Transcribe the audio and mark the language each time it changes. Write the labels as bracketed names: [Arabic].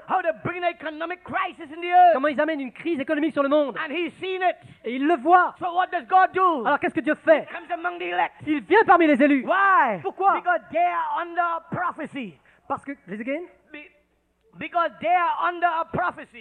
[English] How they bring an economic crisis in the earth. [French] Comment ils amènent une crise économique sur le monde. [English] And he's seen it. [French] Et il le voit. [English] So what does God do? [French] Alors qu'est-ce que Dieu fait? [English] He comes among the elect. [French] Il vient parmi les élus. [English] Why? [French] Pourquoi? [English] Because they are under a prophecy. [French] Parce que, [English] please again. Because they are under a prophecy.